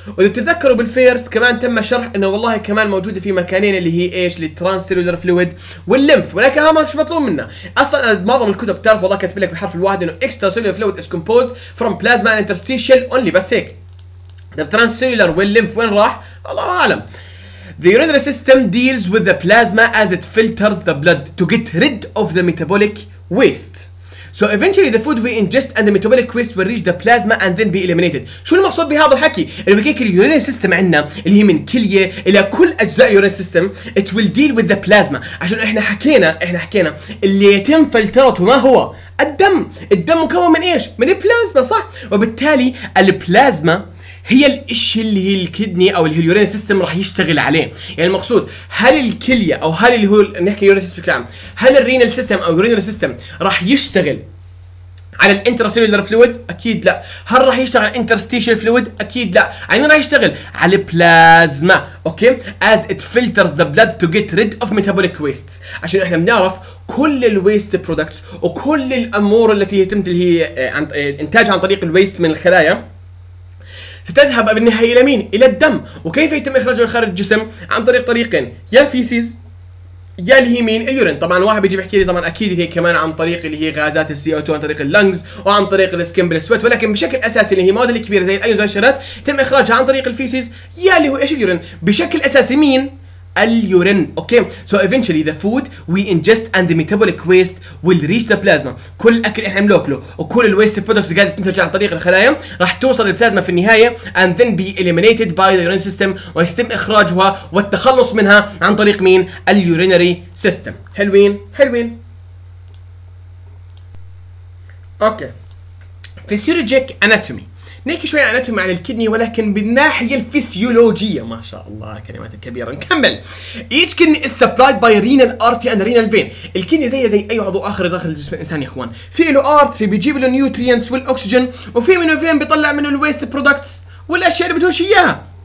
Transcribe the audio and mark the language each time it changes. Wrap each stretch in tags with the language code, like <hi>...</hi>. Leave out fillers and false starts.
<ar>واذا تتذكروا بالفيرس كمان تم شرح انه والله كمان موجوده في مكانين اللي هي ايش، الترانسيلولر فلويد والليمف، ولكن هذا مش مطلوب منا اصلا. معظم الكتب تعرف والله كاتب لك بحرف الواحد انه</ar> <en>extracellular fluid is composed from plasma and interstitial only,</en> <ar>بس هيك. الترانسيلولر والليمف وين راح؟ الله اعلم.</ar> <en>The urinary system deals with the plasma as it filters the blood to get rid of the metabolic waste. So eventually the food we ingest and the metabolic waste will reach the plasma and then be eliminated.</en> <ar>شو المقصود بهذا الحكي؟ البكيك اليورين سيستم عندنا اللي هي من كلية الى كل اجزاء اليورين سيستم،</ar> <en>it will deal with the plasma.</en> <ar>عشان احنا حكينا اللي يتم فلترته ما هو؟ الدم. الدم مكون من ايش؟ من البلازما، صح؟ وبالتالي البلازما هي الاشي اللي هي الكدني او اليورين سيستم راح يشتغل عليه. يعني المقصود هل الكليه او هل اللي هو نحكي يورين سيستم بشكل عام، هل الرينال سيستم او يورين سيستم راح يشتغل على الانترستيشيال فلويد؟ اكيد لا. هل راح يشتغل على الانترستيشيال فلويد؟ اكيد لا. على مين راح يشتغل؟ على البلازما.</ar> <en>Okay, as it filters the blood to get rid of metabolic wastes.</en> <ar>عشان احنا بنعرف كل الويست برودكتس وكل الامور التي يتم اللي هي عن انتاجها عن طريق الويست من الخلايا تذهب بالنهاية إلى مين؟ إلى الدم. وكيف يتم إخراجه خارج الجسم؟ عن طريق طريقين، يا فيسيز يا اللي هي مين؟ اليورين. طبعا واحد بيجي بيحكي لي طبعا أكيد هي كمان عن طريق اللي هي غازات السي أو 2 عن طريق اللنجز وعن طريق السكن بالسويت، ولكن بشكل أساسي اللي هي مواد كبيرة زي الأيونز والشرات تم إخراجها عن طريق الفيسيز يا اللي هو إيش، اليورين. بشكل أساسي مين؟ اليورين.</ar> <en>Okay, so eventually the food we ingest and the metabolic waste will reach the plasma.</en> <ar>كل الاكل احنا بناكله وكل الويست برودكتس قاعده تنتج عن طريق الخلايا راح توصل للبلازما في النهايه،</ar> <en>and then be eliminated by the urine system,</en> <ar>ويتم اخراجها والتخلص منها عن طريق مين؟ اليورينري سيستم. حلوين حلوين. اوكي، فيسيولوجيك اناتومي، نحكي شوي عن اناتومي عن الكدني ولكن بالناحيه الفسيولوجيه. ما شاء الله كلمات كبيره. نكمل.</ar> <en>Each kidney is supplied by renal artery and renal vein.</en> <ar>الكدني زي اي عضو اخر داخل جسم الانسان يا اخوان، في له artery بيجيب له nutrients والاكسجين، وفي منه vein بيطلع منه الويست برودكتس والاشياء اللي بدهوش اياها.</ar>